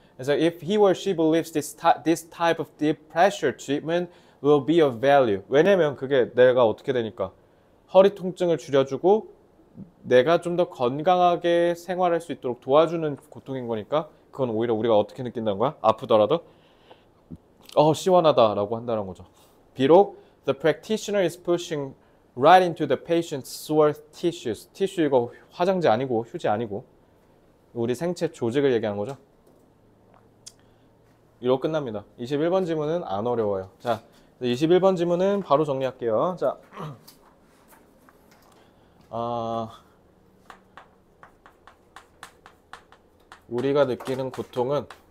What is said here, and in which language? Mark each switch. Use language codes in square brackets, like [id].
[ko] 그래서 [en] if he or she believes this type of deep pressure treatment will be of value. [ko] 왜냐면 그게 내가 어떻게 되니까. 허리 통증을 줄여주고 내가 좀더 건강하게 생활할 수 있도록 도와주는 고통인 거니까. 그건 오히려 우리가 어떻게 느낀다는 거야? 아프더라도 시원하다라고 한다는 거죠. 비록 [en] the practitioner is pushing right into the patient's sore tissues. [ko] 티슈 이거 화장지 아니고 휴지 아니고 우리 생체 조직을 얘기하는 거죠. 이로 끝납니다. 21번 질문은 안 어려워요. 자, 21번 질문은 바로 정리할게요. 자, 우리가 느끼는 고통은